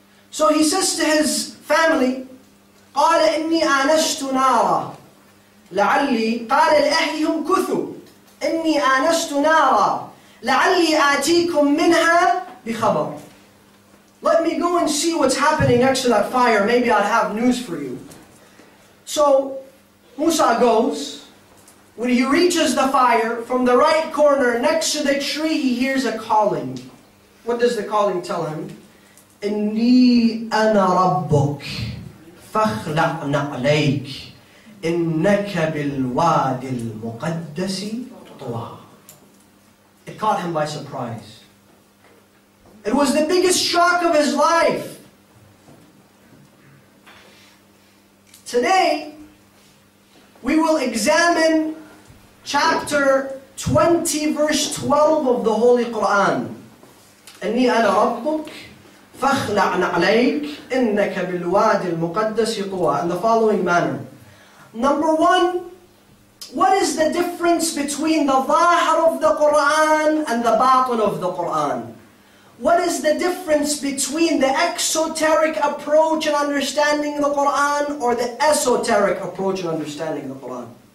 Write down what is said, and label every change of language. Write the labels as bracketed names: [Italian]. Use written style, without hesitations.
[English] So he says to his family, [Arabic] قال إني آنست نارا لعلي قال لأهلهم كثوا إني آنست نارا لعلي آتيكم منها بخبر. [English] Let me go and see what's happening next to that fire. Maybe I'll have news for you. So Musa goes. When he reaches the fire, from the right corner next to the tree, he hears a calling. What does the calling tell him? [Arabic] إني أنا ربك فاخلع نعليك إنك بالواد المقدس طوى. [English] It caught him by surprise. It was the biggest shock of his life. Today, We will examine chapter 20, verse 12 of the Holy Quran. [Arabic] إني أنا ربك فاخلع عليك إنك بالواد المقدس طوى. [English] In the following manner. Number one, what is the difference between the ظاهر of the Quran and the باطن of the Quran? What is the difference between the exoteric approach and understanding the Quran or the esoteric approach and understanding the Quran?